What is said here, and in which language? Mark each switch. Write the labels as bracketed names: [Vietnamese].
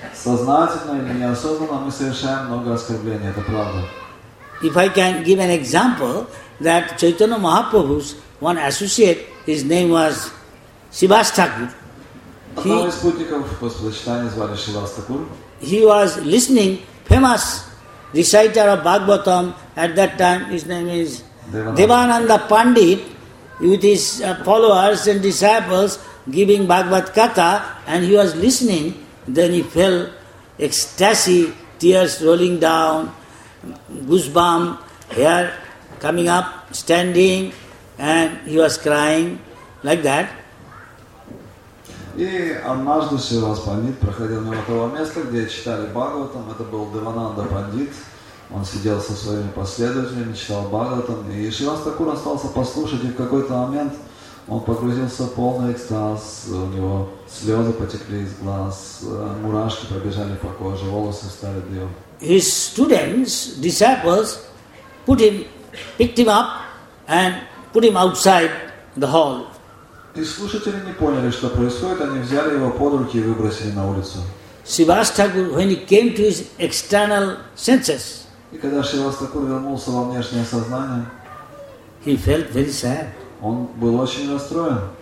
[Russian] Сознательно или неосознанно мы совершаем много оскорблений, это правда. [English] If I can give an example, that Chaitanya Mahaprabhu's one associate, his name was Shivas Thakur. [Russian] Одного из спутников Господа Чайтаньи звали Шивас Такур. [English] He was listening famous reciter of Bhagavatam at that time. His name is Devananda Pandit, with his followers and disciples giving Bhagavat Katha, and he was listening. Then he fell ecstasy, tears rolling down, goosebumps, hair coming up, standing, and he was crying like that. [Russian] И однажды Шивас Пандит проходил мимо того места, где читали Бхагаватам, это был Девананда Пандит, Он сидел со своими последователями, читал Бхагаватам, и Шриванс Такур остался послушать, и в какой-то момент он погрузился в полный экстаз, у него слезы потекли из глаз, мурашки пробежали по коже, волосы стали дыбом. [English] His students, disciples, put him, picked him up and put him outside the hall. [Russian] И слушатели не поняли, что происходит, они взяли его под руки и выбросили на улицу. [English] Шриванс Такур, when he came to his external senses, [Russian] и когда Шриванс Такур вернулся во внешнее сознание, [English] he felt very sad. [Russian] Он был очень расстроен.